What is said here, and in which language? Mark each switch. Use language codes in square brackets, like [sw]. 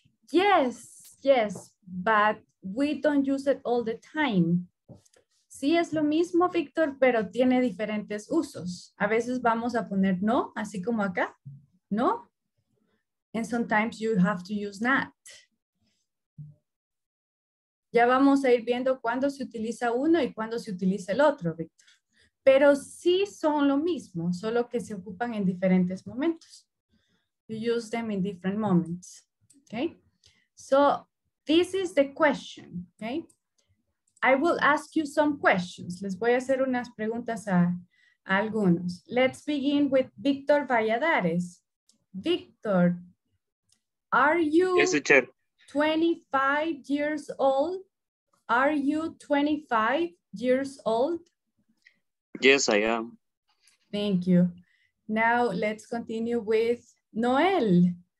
[en] Yes, yes, but we don't use it all the time. [es] Sí, es lo mismo, Víctor, pero tiene diferentes usos. A veces vamos a poner no, así como acá, no. [en] And sometimes you have to use not. [es] Ya vamos a ir viendo cuándo se utiliza uno y cuándo se utiliza el otro, Víctor. Pero sí son lo mismo, solo que se ocupan en diferentes momentos. [en] You use them in different moments. Okay? So, this is the question, okay? I will ask you some questions. [es] Les voy a hacer unas preguntas a algunos. [en] Let's begin with Victor Valladares. Victor, are you 25 years old? Are you 25 years old? Yes, I am. Thank you. Now let's continue with Noel.